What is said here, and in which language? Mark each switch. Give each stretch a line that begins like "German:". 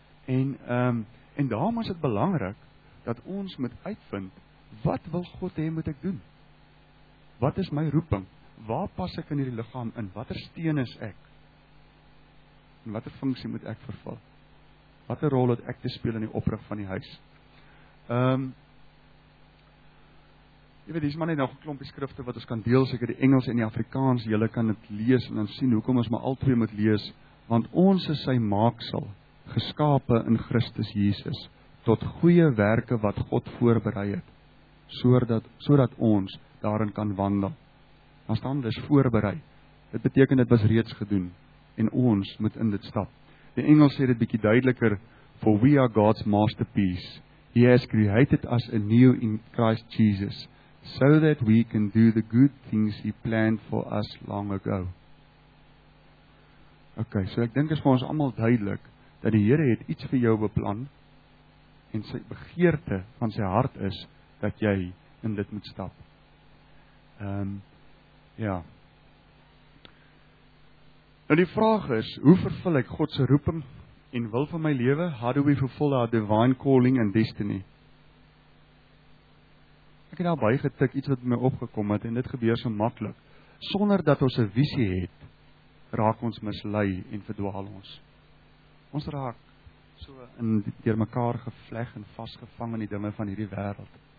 Afrikaans: En daarom is het belangrik, dat ons moet uitvind, wat wil God hê moet ek doen? Wat is my roeping? Waar pas ek in hierdie liggaam in? Watter steen is ek? En watter funksie moet ek vervul? Watter rol het ek te speel in die oprig van die huis? Jy weet, hier is maar net nog een klompie skrifte wat ons kan deel, seker die Engels en die Afrikaans, jylle kan het lees en dan sien hoekom ons maar al twee moet lees, want ons is sy maaksel, geskape in Christus Jesus, tot goeie werke wat God voorberei het, so dat ons daarin kan wandel. Dan staan dus voorberei. Dit beteken dit was reeds gedoen, en ons moet in dit stap. Die Engels sê dit bietjie duideliker,
English: for we are God's masterpiece. He has created us anew in Christ Jesus, so that we can do the good things He planned for us long ago.
Afrikaans: Ok, so ek dink is vir ons allemaal duidelik, dat die Heere het iets vir jou beplan, en sy begeerte van sy hart is, dat jy in dit moet stap. Nou die vraag is, hoe vervul ek God se roeping en wil van my lewe?
English: How do we fulfill our divine calling and destiny?
Afrikaans: Ek het al baie getik iets wat my opgekom het, en dit gebeur so maklik. Sonder dat ons 'n visie het, raak ons mislei en verdwaal ons. Ons raak so in deur mekaar gevleg en vasgevang in die dinge van hierdie wêreld.